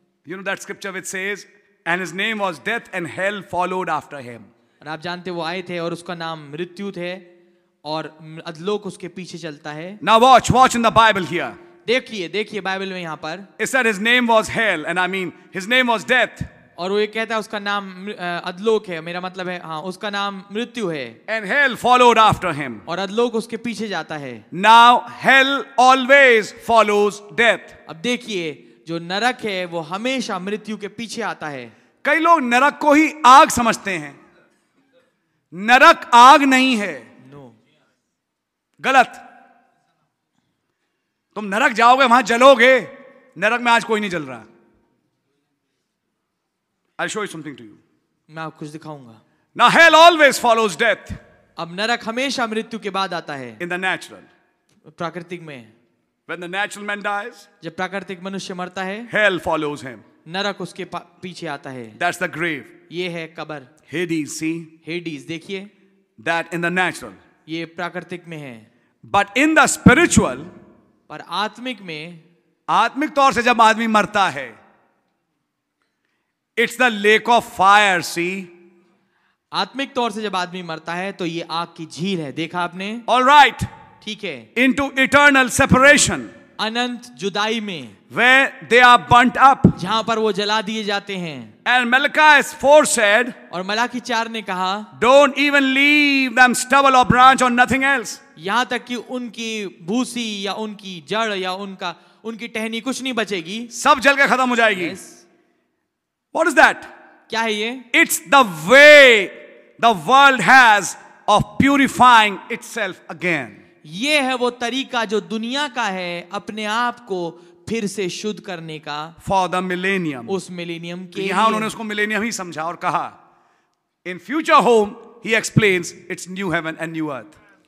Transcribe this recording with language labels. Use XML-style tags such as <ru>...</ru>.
<en>You know that scripture which says, and his name was death and hell followed after him.</en> <hi>और आप जानते हैं वो आए थे और उसका नाम मृत्यु थे और अधलोक उसके पीछे चलता है.</hi> <en>Now watch, watch in the Bible here.</en> <hi>देखिए, देखिए बाइबल में यहाँ पर.</hi> <en>It said his name was hell, and I mean his name was death.</en> <hi>और वो ये कहता है उसका नाम अधलोक है. मेरा मतलब है हाँ, उसका नाम मृत्यु है.</hi> <en>And hell followed after him.</en> <hi>और अधलोक उसके पीछे जाता है.</hi> <en>Now hell always follows death.</en> <hi>अब देखिए जो नरक है वो हमेशा मृत्यु के पीछे आता है. कई लोग नरक को ही आग समझते हैं. नरक आग नहीं है.</hi> <en>no</en> <hi>गलत. तुम नरक जाओगे वहां जलोगे. नरक में आज कोई नहीं जल रहा.</hi> <en>I'll show you something to you.</en> <hi>मैं आपको कुछ दिखाऊंगा.</hi> <en>Now hell always follows death.</en> <hi>अब नरक हमेशा मृत्यु के बाद आता है.</hi> <en>In the natural.</en> <hi>प्राकृतिक में.</hi> <en>When the natural man dies.</en> <hi>जब प्राकृतिक मनुष्य मरता है.</hi> <en>Hell follows him.</en> <hi>नरक उसके पीछे आता है.</hi> <en>That's the grave.</en> <hi>ये है कब्र.</hi> <en>Hades, see.</en> <hi>Hades, देखिए.</hi> <en>That in the natural.</en> <hi>ये प्राकृतिक में है.</hi> <en>But in the spiritual.</en> <hi>पर आत्मिक में. आत्मिक तौर से जब आदमी मरता है.</hi> <en>It's the lake of fire, see.</en> <hi>आत्मिक तौर से जब आदमी मरता है तो ये आग की झील है. देखा आपने.</hi> <en>All right.</en> <hi>ठीक है.</hi> <en>Into eternal separation.</en> <hi>अनंत जुदाई में.</hi> <en>Where they are burnt up.</en> <hi>जहां पर वो जला दिए जाते हैं.</hi> <en>And Malachi 4 said.</en> <hi>और मलाकी 4 ने कहा.</hi> <en>Don't even leave them stubble or branch or nothing else.</en> <hi>यहां तक कि उनकी भूसी या उनकी जड़ या उनका उनकी टहनी कुछ नहीं बचेगी. सब जल के खत्म हो जाएगी.</hi> <en>Yes. What is that?</en> <hi>क्या है ये?</hi> <en>It's the way the world has of purifying itself again.</en> <hi>ये है वो तरीका जो दुनिया का है अपने आप को फिर से शुद्ध करने का.</hi> <en>For the millennium.</en> <hi>उस millennium के. यहाँ उन्होंने उसको millennium ही समझा और कहा.</hi> <en>In future home, he explains it's new heaven and new earth.</en>